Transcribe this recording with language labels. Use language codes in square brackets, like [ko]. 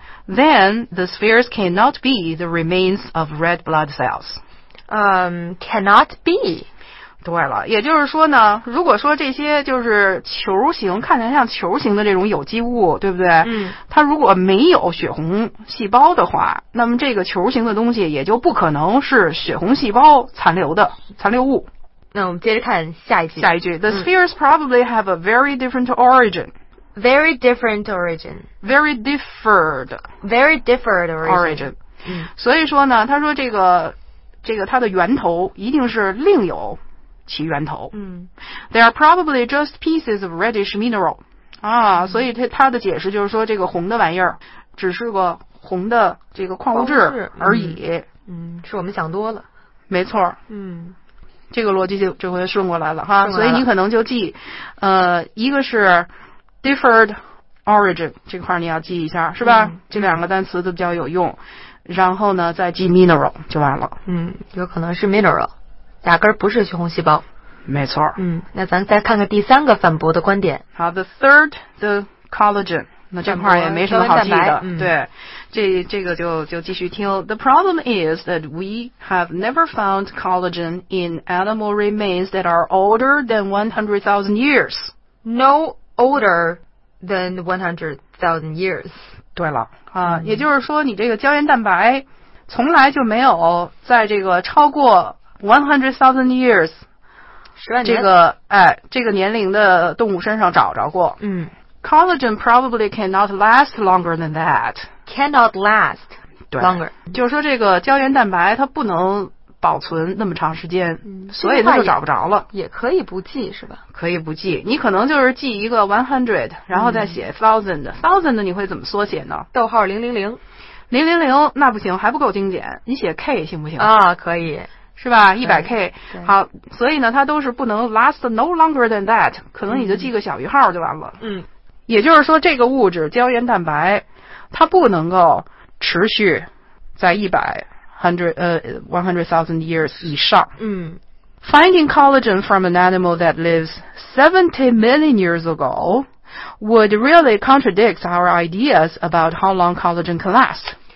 [en] Then the spheres cannot be the remains of red blood cells. Cannot be. [zh] 对了，也就是说呢，如果说这些就是球形，看起来像球形的这种有机物，对不对？它如果没有血红细胞的话，那么这个球形的东西也就不可能是血红细胞残留物。那我们接着看下一句。下一句 [en] ，The spheres probably have a very different origin. Very different origin. Very differed. Very differed origin.、 [zh] 所以说呢，他说这个它的源头一定是另有其源头。 [en] They are probably just pieces of reddish mineral. [zh] 所以它的解释就是说这个红的玩意儿只是个红的这个矿物质而已。是我们想多了。没错。这个逻辑就这回顺过来了哈。所以你可能就记一个是 [en] Differed origin [zh] 这块你要记一下是吧、这两个单词都比较有用，然后呢再记 mineral 就完了。有可能是 mineral， 压根儿不是血红细胞。没错。那咱再看看第三个反驳的观点。好 ， [en] the third the collagen， [zh] 那这块也没什么好记的。对，这个就继续听。 [en] The problem is that we have never found collagen in animal remains that are older than 100,000 years. No. Older than 100,000 years. [zh] 对了，也就是说你这个胶原蛋白从来就没有在这个超过 100,000 years 10万年这个年龄的动物身上找着过。 [en] Collagen probably cannot last longer than that. Cannot last longer. [zh] 就是说这个胶原蛋白它不能保存那么长时间，所以它就找不着了。也可以不记是吧？可以不记，你可能就是记一个 100， 然后再写 thousand。 thousand 你会怎么缩写呢？逗号000。零零零那不行，还不够精简，你写 K 行不行啊？可以是吧？100K 好，所以呢它都是不能 [en] last no longer than that， [zh] 可能你就记个小于号就完了。嗯，也就是说这个物质胶原蛋白它不能够持续在100,000 years 以上。嗯， [en] Finding collagen from an animal that lives 70 million years ago would really contradict our ideas about how long collagen can last.